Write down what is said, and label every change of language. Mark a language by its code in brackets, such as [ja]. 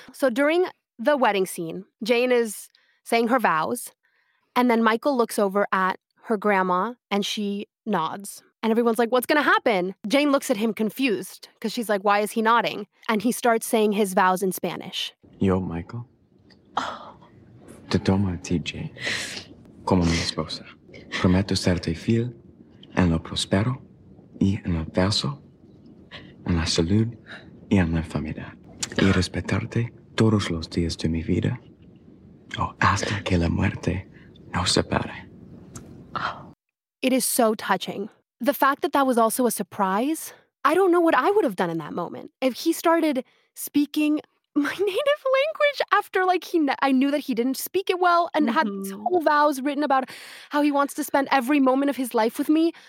[en] So during the wedding scene, Jane is saying her vows. And then Michael looks over at her grandma and she nods. And everyone's like, what's going to happen? Jane looks at him confused because she's like, why is he nodding? And he starts saying his vows in Spanish. [es] Yo, Michael. Te tomo a ti, Jane, como mi esposa. Prometo serte fiel en lo prospero y en el verso, en la salud y en la familia. Y respetarte todos los días de mi vida o hasta que la muerte nos separe. [en] It is so touching. The fact that that was also a surprise, I don't know what I would have done in that moment. If he started speaking my native language after, like, I knew that he didn't speak it well and mm-hmm. had whole vows written about how he wants to spend every moment of his life with me.